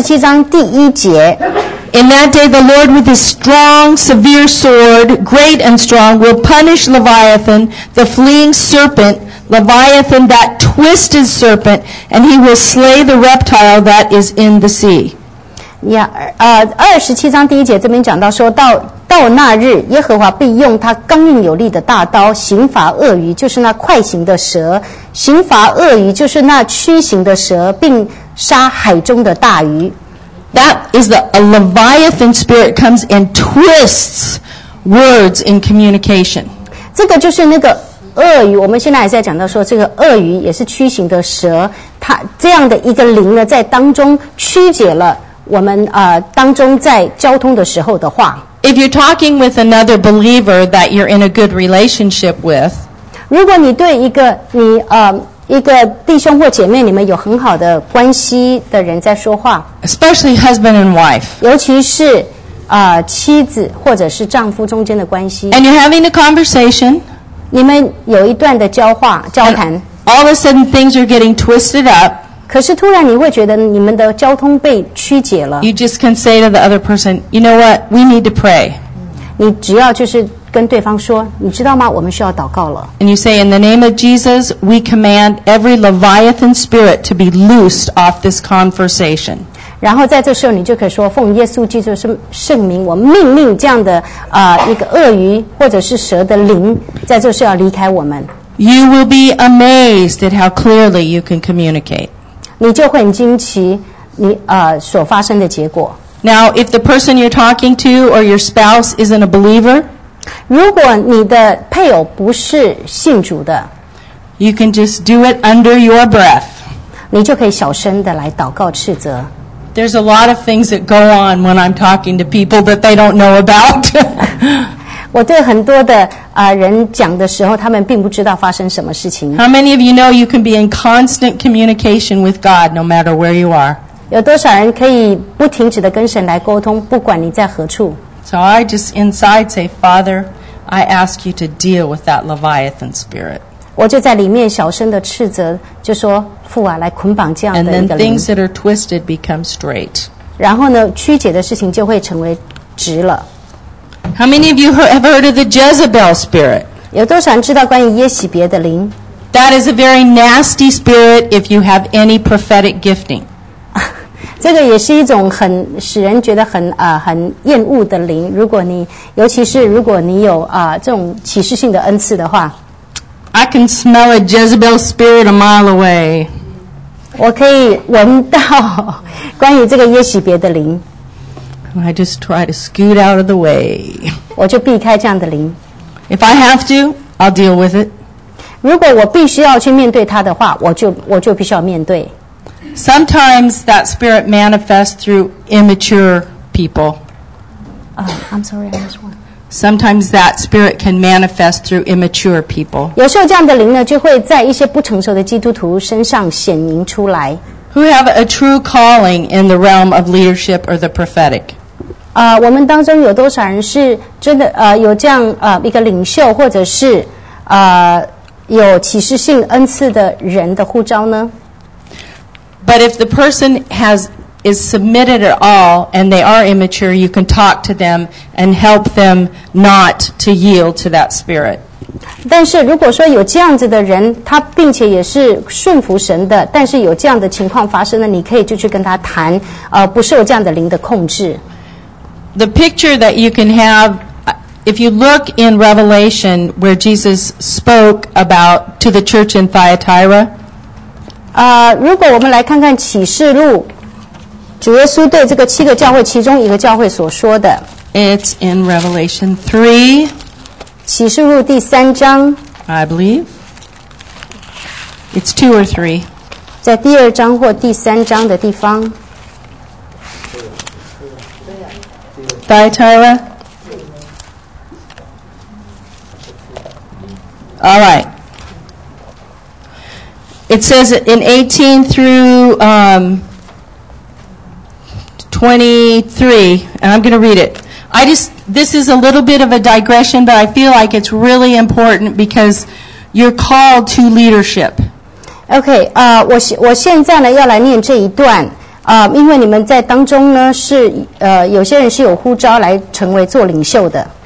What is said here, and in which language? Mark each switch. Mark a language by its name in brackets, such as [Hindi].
[English] 27:1 In that day, the Lord with his strong, severe sword, great and strong, will punish Leviathan, the fleeing serpent, Leviathan, that twisted serpent, and he will slay the reptile that is in the sea. [Chinese] Yeah, 27:1这边讲到说到那日，耶和华必用他刚硬有力的大刀刑罚鳄鱼，就是那快行的蛇，刑罚鳄鱼就是那曲行的蛇，并杀海中的大鱼。 [English] That is a Leviathan spirit comes and twists words in communication. [Chinese] 这个就是那个鳄鱼，我们现在还在讲到说这个鳄鱼也是屈形的蛇，它这样的一个灵呢，在当中曲解了我们当中在交通的时候的话。 [English] If you're talking with another believer that you're in a good relationship with, [Chinese] 如果你对一个你一个弟兄或姐妹，你们有很好的关系的人在说话 [English] ，especially husband and wife， [Chinese] 尤其是妻子或者是丈夫中间的关系 [English] ，and you're having a conversation， [Chinese] 你们有一段的交话交谈 [English] ，all of a sudden things are getting twisted up， [Chinese] 可是突然你会觉得你们的交通被曲解了 [English] ，you just can say to the other person， you know what， we need to pray， [Chinese] 你只要就是。跟对方说，你知道吗？我们需要祷告了。 [English] And you say, in the name of Jesus, we command every Leviathan spirit to be loosed off this conversation. [Chinese] 然后在这时候，你就可以说，奉耶稣基督圣名，我命令这样的一个鳄鱼或者是蛇的灵，在这时候要离开我们。 [English] You will be amazed at how clearly you can communicate. [Chinese] 你就会很惊奇你所发生的结果。 [English] Now, if the person you're talking to or your spouse isn't a believer. [Chinese] 如果你的配偶不是信主的 [English] You can just do it under your breath [Chinese] 你就可以小声的来祷告斥责 [English] There's a lot of things that go on when I'm talking to people that they don't know about [Chinese] 我对很多的人讲的时候他们并不知道发生什么事情 [English] How many of you know you can be in constant communication with God no matter where you are [Chinese] 有多少人可以不停止的跟神来沟通不管你在何处 [English] So I just inside say, Father, I ask you to deal with that Leviathan spirit. [Chinese] 我就在里面小声的斥责，就说父啊，来捆绑这样的一个灵。 [English] And then things that are twisted become straight. [Chinese] 然后呢，曲解的事情就会成为直了。 [English] How many of you have ever heard of the Jezebel spirit? [Chinese] 有多少人知道关于耶洗别的灵？ [English] That is a very nasty spirit if you have any prophetic gifting. [Chinese] 这个也是一种很使人觉得很厌恶的灵。如果你，尤其是如果你有这种启示性的恩赐的话 [English] ，I can smell a Jezebel spirit a mile away。 [Chinese] 我可以闻到关于这个耶洗别的灵。 [English] And I just try to scoot out of the way。 [Chinese] 我就避开这样的灵。 [English] If I have to, I'll deal with it。 [Chinese] 如果我必须要去面对它的话，我就必须要面对。 [English] Sometimes that spirit manifests through immature people. I'm sorry, I missed one. Sometimes that spirit can manifest through immature people. [Chinese] 有时候这样的灵呢，就会在一些不成熟的基督徒身上显明出来。 [English] Who have a true calling in the realm of leadership or the prophetic? [Chinese] 我们当中有多少人是真的有这样一个领袖，或者是有启示性恩赐的人的呼召呢？ [English] But if the person is submitted at all and they are immature, you can talk to them and help them not to yield to that spirit. [Chinese] 但是如果说有这样子的人，他并且也是顺服神的，但是有这样的情况发生了，你可以就去跟他谈，不受这样的灵的控制。 [English] The picture that you can have, if you look in Revelation where Jesus spoke about to the church in Thyatira. [Chinese] 如果我们来看看启示录，主耶稣对这个七个教会其中一个教会所说的。 [English] It's in Revelation 3. [Chinese] 启示录第三章。 [English] I believe. It's 2 or 3. [Chinese] 在第二章或第三章的地方。 [English] Thyatira. All right. It says in 18 through 23, and I'm going to read it. This is a little bit of a digression, but I feel like it's really important because you're called to leadership. [Chinese] Okay, 我现在呢要来念这一段因为你们在当中呢是有些人是有呼召来成为做领袖的。